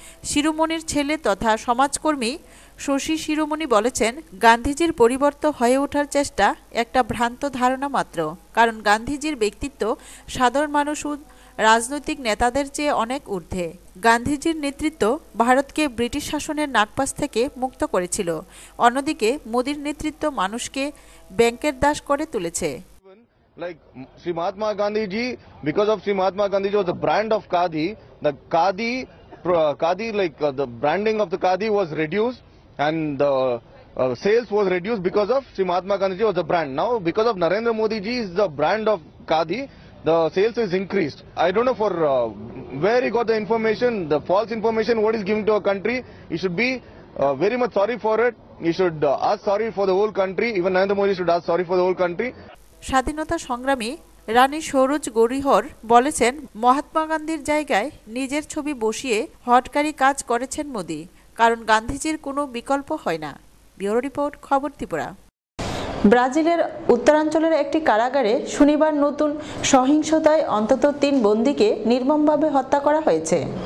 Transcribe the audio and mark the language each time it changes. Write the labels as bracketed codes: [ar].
[bn] শিরোমণির ছেলে তথা সমাজকর্মী শশী শিরোমণি বলেছেন, গান্ধীজির পরিবর্তন হয়ে ওঠার চেষ্টা একটা ভ্রান্ত ধারণা মাত্র, কারণ গান্ধীজির ব্যক্তিত্ব সাধারণ মানুষ রাজনৈতিক নেতাদের চেয়ে অনেক ঊর্ধ্বে। গান্ধীজির নেতৃত্ব ভারতকে ব্রিটিশ শাসনের নাগপাস থেকে মুক্ত করেছিল, অন্যদিকে মোদীর নেতৃত্ব মানুষকে ব্যাংকের দাস করে তুলেছে। [en] Like Sri Mahatma Gandhiji, because of Sri Mahatma Gandhiji was the brand of Khadi, the Khadi, Khadi like the branding of the Khadi was reduced and the sales was reduced because of Sri Mahatma Gandhiji was the brand. Now because of Narendra Modi ji is the brand of Khadi, the sales is increased. I don't know for where he got the information, the false information what is given to a country. He should be very much sorry for it. He should ask sorry for the whole country. Even Narendra Modi should ask sorry for the whole country. [bn] স্বাধীনতা সংগ্রামী রানী সরোজ গরিহর বলেছেন, মহাত্মা গান্ধীর জায়গায় নিজের ছবি বসিয়ে হটকারি কাজ করেছেন মোদি, কারণ গান্ধীজির কোনো বিকল্প হয় না। ব্যুরো রিপোর্ট, খবর ত্রিপুরা। ব্রাজিলের উত্তরাঞ্চলের একটি কারাগারে শনিবার নতুন সহিংসতায় অন্তত 3 বন্দীকে নির্মমভাবে হত্যা করা হয়েছে।